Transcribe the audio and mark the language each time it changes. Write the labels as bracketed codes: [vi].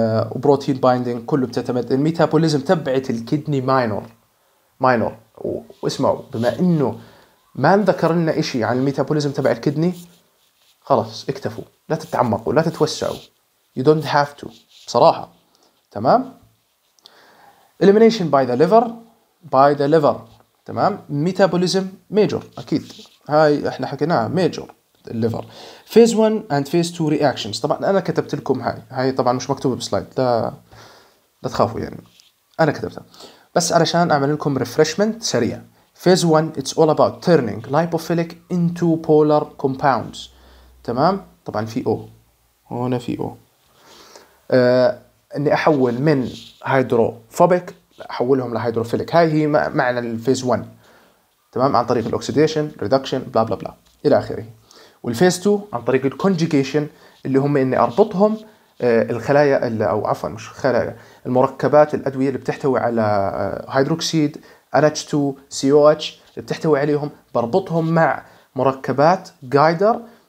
[ar] وبروتين بايندينج كله بتعتمد الميتابوليزم تبعت الكيدني ماينور. واسمعوا، بما انه ما انذكر لنا اشي عن الميتابوليزم تبع الكيدني، خلاص اكتفوا، لا تتعمقوا، لا تتوسعوا، [en] you don't have to [ar] بصراحه. [en] تمام، elimination by the liver، by the liver. [ar] تمام، metabolism major اكيد، هاي احنا حكيناها major الليفر. [en] phase 1 and phase 2 reactions، [ar] طبعا انا كتبت لكم هاي، هاي طبعا مش مكتوبه بسلايد، لا تخافوا يعني، انا كتبتها بس علشان اعمل لكم refreshment سريع. [en] phase 1 it's all about turning lipophilic into polar compounds. [ar] تمام، طبعا في او هنا، في او اني احول من هيدروفوبيك احولهم لهيدروفيليك، هاي هي معنى الفيز 1. تمام، عن طريق الاكسيديشن ريدكشن بلا بلا بلا الى اخره. والفيز 2 عن طريق الكونجيجيشن، اللي هم اني اربطهم الخلايا، او عفوا مش خلايا، المركبات الادويه اللي بتحتوي على هيدروكسيد NH2 COH اللي بتحتوي عليهم، بربطهم مع مركبات جايدر.